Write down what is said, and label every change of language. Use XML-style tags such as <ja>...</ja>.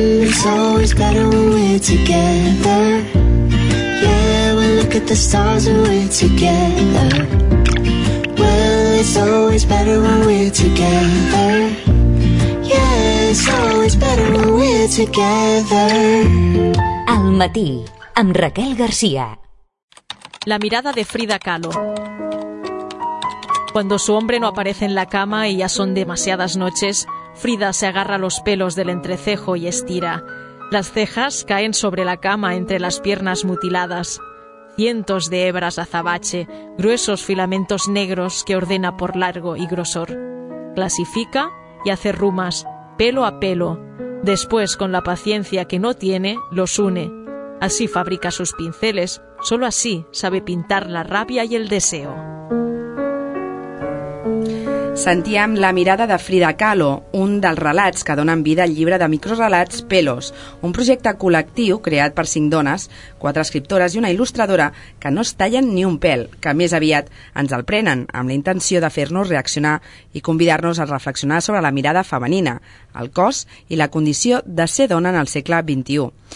<en>It's always better when we're together. Yeah, we look at the stars when we're together. Well, it's always better when we're together. Yeah, it's always better when we're together.</en> <ca>Al matí, amb Raquel García.</ca> <es>La mirada de Frida Kahlo. Cuando su hombre no aparece en la cama y ya son demasiadas noches, Frida se agarra los pelos del entrecejo y estira. Las cejas caen sobre la cama entre las piernas mutiladas. Cientos de hebras azabache, gruesos filamentos negros que ordena por largo y grosor. Clasifica y hace rumas, pelo a pelo. Después, con la paciencia que no tiene, los une. Así fabrica sus pinceles, solo así sabe pintar la rabia y el deseo.</es> <ca>Sentíem La mirada de Frida Kahlo, un dels relats que donen vida al llibre de microrelats Pelos, un projecte col·lectiu creat per 5 dones, 4 escriptores i una il·lustradora que no es tallen ni un pèl, que més aviat ens el prenen amb la intenció de fer-nos reaccionar i convidar-nos a reflexionar sobre la mirada femenina, el cos i la condició de ser dona en el segle XXI.</ca>